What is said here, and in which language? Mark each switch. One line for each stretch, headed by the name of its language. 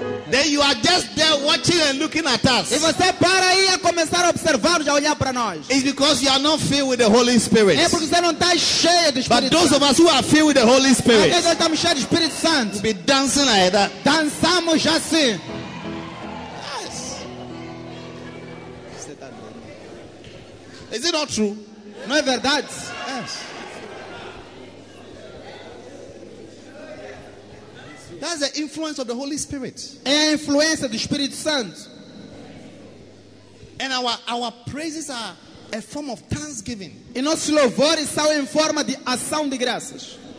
English: Then you are just there watching and looking at us.
Portuguese: E você para aí a começar a observar, já olhar para nós.
English: It's because you are not filled with the Holy Spirit.
Portuguese: É porque você não está cheio do Espírito.
English: But those of us who are filled with the Holy Spirit,
Portuguese: nós estamos cheios do Espírito Santo.
English: Be dancing like that.
Portuguese: Dançamos assim.
English: Yes. It's the Is it not true?
Portuguese: No, é verdade.
English: Yes. That's the influence of the Holy Spirit.
Portuguese: É a influência do Espírito Santo.
English: And our praises are a form of thanksgiving.
Portuguese: E nossos louvores são em forma de ação de graças.